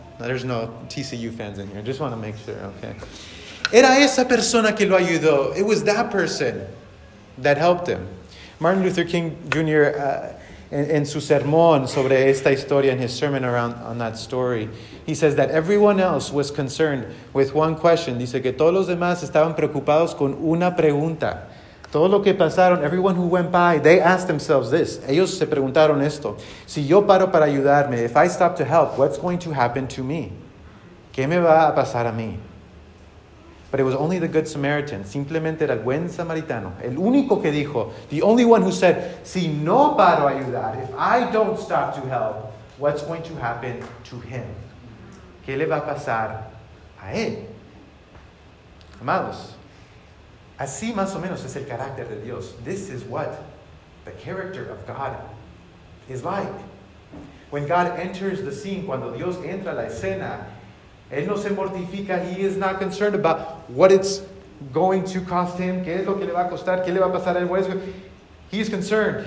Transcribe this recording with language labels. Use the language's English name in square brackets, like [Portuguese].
[English] No, there's no TCU fans in here. Just want to make sure, okay. [Spanish] ¿Era esa persona que lo ayudó? [English] It was that person that helped him. Martin Luther King Jr., in [Spanish] su sermón sobre esta historia, [English] in his sermon around on that story, he says that everyone else was concerned with one question. [Spanish] Dice que todos los demás estaban preocupados con una pregunta. Todo lo que pasaron, [English] everyone who went by, they asked themselves this. [Spanish] Ellos se preguntaron esto. Si yo paro para ayudarme, [English] if I stop to help, what's going to happen to me? [Spanish] ¿Qué me va a pasar a mí? [English] But it was only the good Samaritan. [Spanish] Simplemente era el buen samaritano. El único que dijo, [English] the only one who said, [Spanish] si no paro a ayudar, [English] if I don't stop to help, what's going to happen to him? [Spanish] ¿Qué le va a pasar a él? Amados. Así más o menos es el carácter de Dios. [English] This is what the character of God is like. When God enters the scene, [Spanish] cuando Dios entra a la escena, Él no se mortifica, [English] He is not concerned about what it's going to cost Him, [Spanish] qué es lo que le va a costar, qué le va a pasar a Él. [English] He is concerned.